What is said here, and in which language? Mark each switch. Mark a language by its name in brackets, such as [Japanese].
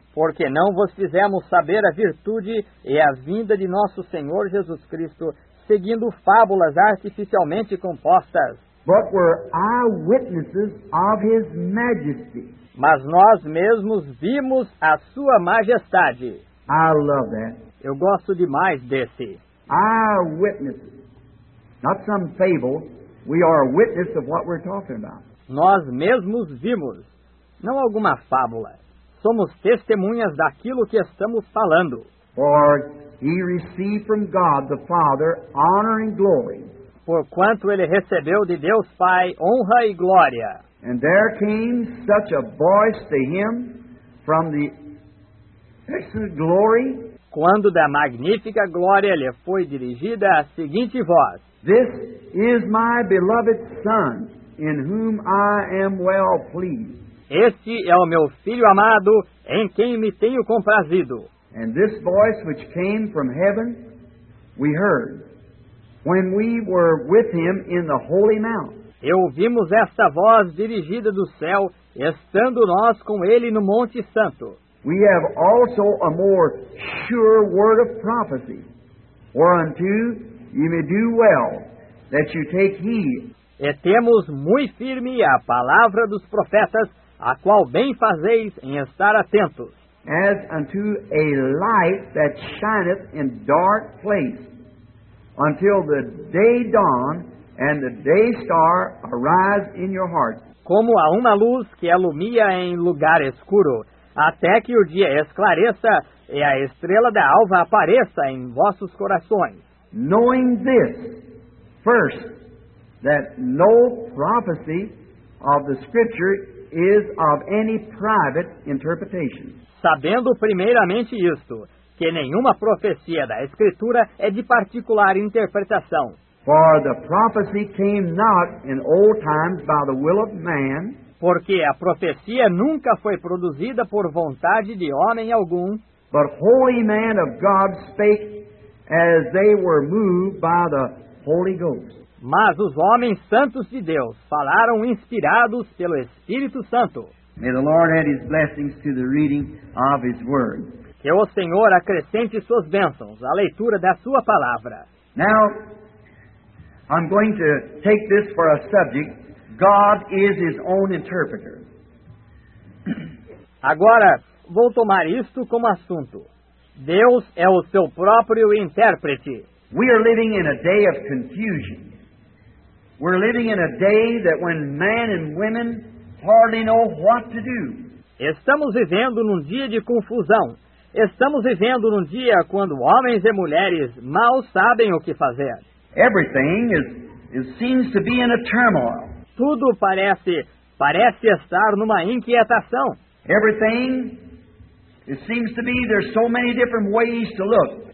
[Portuguese] Porque não vos fizemos saber a virtude e a vinda de nosso Senhor Jesus Cristo, seguindo fábulas artificialmente compostas. [English] But were eyewitnesses of his majesty. [Portuguese] Mas nós mesmos vimos a sua majestade. [English] I love that. [Portuguese] Eu gosto demais desse. [English] Eyewitnesses. Not some fable. We are a witness of what we're talking about. [Portuguese] Nós mesmos vimos. Não alguma fábula. Somos testemunhas daquilo que estamos falando. [English] For he received from God the Father honor and glory. [Portuguese] Porquanto ele recebeu de Deus Pai honra e glória. [English] And there came such a voice to him from the excellent glory. [Portuguese] Quando da magnífica glória lhe foi dirigida a seguinte voz. [English] This is my beloved Son, in whom I am well pleased. [Portuguese] Este é o meu filho amado, em quem me tenho comprazido. [English] And this voice which came from heaven, we heard, when we were with him in the holy mount. [Portuguese] E ouvimos esta voz dirigida do céu, estando nós com ele no Monte Santo. [English] We have also a more sure word of prophecy, whereunto you may do well, that you take heed. [Portuguese] E temos muito firme a palavra dos profetas, a qual bem fazeis em estar atentos. [English] As unto a light that shineth in dark place, until the day dawn and the day star arise in your heart. [Portuguese] Como a uma luz que alumia em lugar escuro, até que o dia esclareça e a estrela da alva apareça em vossos corações. [English] Knowing this, first, that no prophecy of the Scripture is of any private interpretation. [Portuguese] Sabendo primeiramente isto, que nenhuma profecia da Escritura é de particular interpretação. [English] For the prophecy came not in old times by the will of man. [Portuguese] Porque a profecia nunca foi produzida por vontade de homem algum. [English] But holy men of God spake as they were moved by the Holy Ghost. [Portuguese] Mas os homens santos de Deus falaram inspirados pelo Espírito Santo. [English] May the Lord add his blessings to the reading of his word. [Portuguese] Que o Senhor acrescente suas bênçãos à leitura da sua palavra. [English] Now, I'm going to take this for a subject. God is his own interpreter. [Portuguese] Agora, vou tomar isto como assunto. Deus é o seu próprio intérprete. [English] We are living in a day of confusion. We're living in a day that when men and women hardly know what to do. [Portuguese] Estamos vivendo num dia de confusão. Estamos vivendo num dia quando homens e mulheres mal sabem o que fazer. [English] Everything seems to be in a turmoil. [Portuguese] Tudo parece estar numa inquietação. [English] Everything. It seems to me there's so many different ways to look.